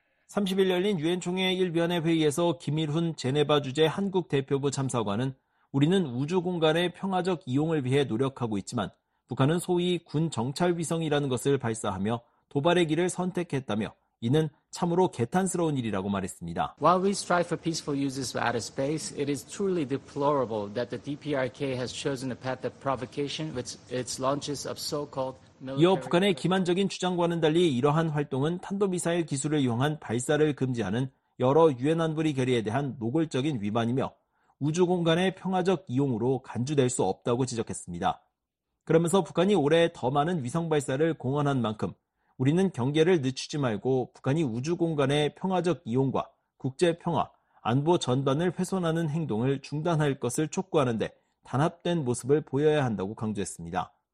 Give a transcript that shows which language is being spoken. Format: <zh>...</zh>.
<ko>30일 열린 유엔 총회 1위원회 회의에서 김일훈 제네바 주재 한국 대표부 참사관은 우리는 우주 공간의 평화적 이용을 위해 노력하고 있지만 북한은 소위 군 정찰 위성이라는 것을 발사하며 도발의 길을 선택했다며 이는 참으로 개탄스러운 일이라고 말했습니다.</ko> <en>While we strive for peaceful uses of outer space, it is truly deplorable that the DPRK has chosen a path of provocation with its launches of so-called military.</en> <ko>이어 북한의 기만적인 주장과는 달리 이러한 활동은 탄도미사일 기술을 이용한 발사를 금지하는 여러 유엔 안보리 결의에 대한 노골적인 위반이며 우주 공간의 평화적 이용으로 간주될 수 없다고 지적했습니다. 그러면서 북한이 올해 더 많은 위성 발사를 공언한 만큼 우리는 경계를 늦추지 말고 북한이 우주 공간의 평화적 이용과 국제 평화, 안보 전반을 훼손하는 행동을 중단할 것을 촉구하는데 단합된 모습을 보여야 한다고 강조했습니다.</ko>